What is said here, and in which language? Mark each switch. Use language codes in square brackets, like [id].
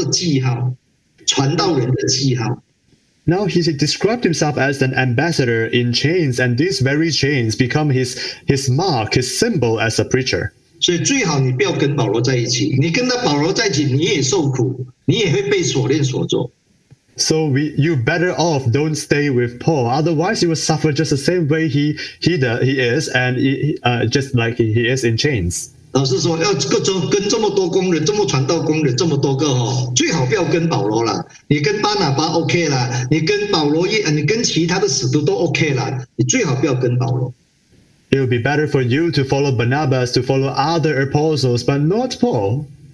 [zh] 保罗说我为了这个福音做了带锁链的使者，这个锁链锁住他，成为他的记号，成为保罗的记号，传道人的记号。 [en] Now he described himself as an ambassador in chains, and these very chains become his mark, his symbol as a preacher. [zh] 所以最好你不要跟保罗在一起，你跟他保罗在一起，你也受苦，你也会被锁链锁住。 [en] So you better off don't stay with Paul, otherwise you will suffer just the same way he is in chains. [zh] 老师说，要跟这么多工人、这么传道工人、这么多个，最好不要跟保罗了。你跟巴拿巴 OK 了，你跟保罗也，你跟其他的使徒都 OK 了，你最好不要跟保罗。 [en] It would be better for you to follow Barnabas, to follow other apostles, but not Paul.